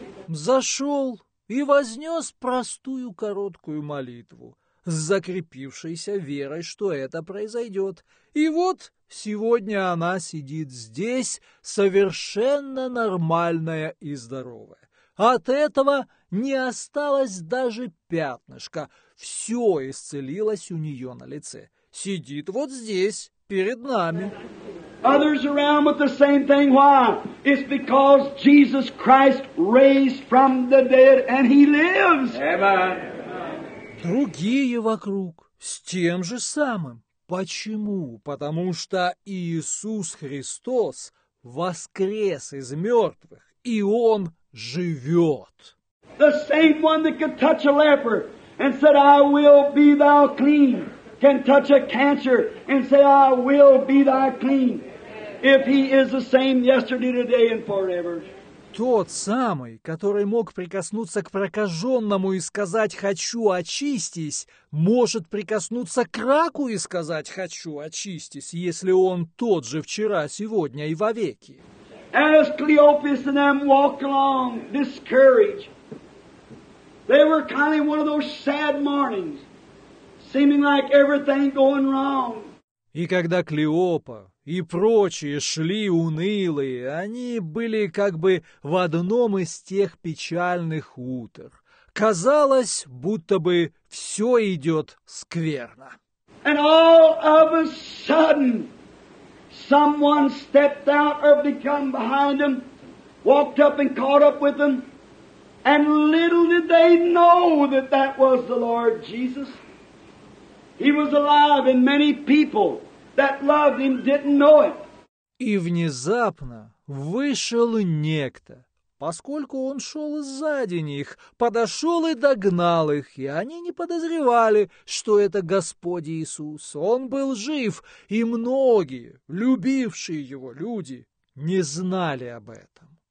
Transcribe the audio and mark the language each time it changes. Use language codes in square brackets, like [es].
[ru] Зашел и вознес простую короткую молитву. С закрепившейся верой, что это произойдет. И вот сегодня она сидит здесь, совершенно нормальная и здоровая. От этого не осталось даже пятнышка. Все исцелилось у нее на лице. Сидит вот здесь, перед нами. [en] Others around with the same thing. Why? It's because Jesus Christ raised from the dead and he lives. Amen. [ru] Другие вокруг с тем же самым. Почему? Потому что Иисус Христос воскрес из мертвых, и Он живет. [en] The same one that could touch a leper and said, I will be thou clean, can touch a cancer and say, I will be thy clean, if he is the same yesterday, today and forever. [ru] Тот самый, который мог прикоснуться к прокаженному и сказать «хочу, очистись», может прикоснуться к раку и сказать «хочу, очистись», если он тот же вчера, сегодня и вовеки. [en] As Cleophas and them walked along discouraged, they were kind of one of those sad mornings, seeming like everything going wrong. [ru] И когда Клеопа и прочие шли унылые, они были как бы в одном из тех печальных утр. Казалось, будто бы все идет скверно. [en] And all of a sudden, someone stepped out or become behind them, walked up and caught up with them, and little did they know that that was the Lord Jesus. He was alive, and many people that loved him didn't know it. [ru] И внезапно вышел некто, поскольку он шел сзади них, подошел и догнал их, и они не подозревали, что это Господь Иисус. Он был жив, и многие, любившие его люди, не знали об этом.